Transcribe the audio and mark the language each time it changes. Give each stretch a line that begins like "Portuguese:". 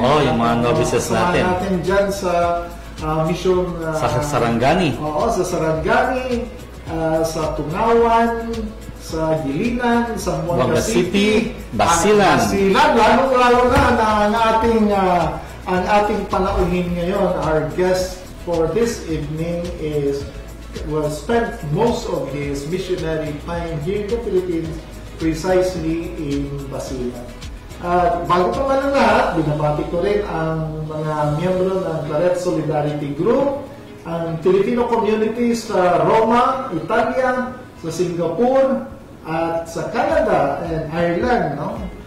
Filipino: Oo, yung mga novices natin. Sama natin dyan sa mission... Sa Sarangani. Oo, sa Sarangani, sa Tungawan, sa Gilinan, sa Buanga City, Basilan. Basilan, lalo-lalo na ang ating... Ang ating panauhin ngayon,
English: our guest for this evening is well, spent most of his missionary time here in the Philippines, precisely in Basilan.
Filipino: At bago pa man ang lahat, binabati ko rin ang mga miyembro ng Claret Solidarity Group, ang Filipino communities sa Roma, Italia, sa Singapore, at sa Canada and Ireland, no?